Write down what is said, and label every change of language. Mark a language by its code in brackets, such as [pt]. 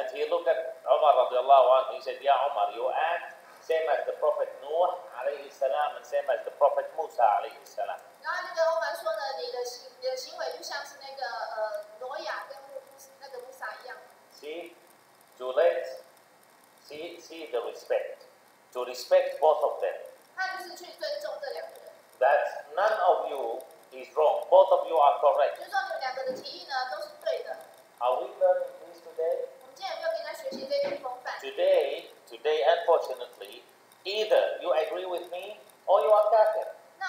[en] And he looked at Umar radiallahu anhu. He said, "Ya Umar, you act same as the Prophet Nuh alayhi salam and same as the Prophet Musa alayhi salam." [zh] 然后就跟欧玛说呢：“你的行为就像是那个挪亚跟穆那个穆萨一样。” [en] See, to let, see the respect, to respect both of them. [zh] 他就是去尊重这两个人。 [en] That none of you is wrong. Both of you are correct. [zh] 就是说你们两个的提议呢，都是对的。 [en] Are we learning this today? [zh] 我们今天有没有跟人家学习这些风范？ [en] Today, unfortunately, either you agree with me or you are captive.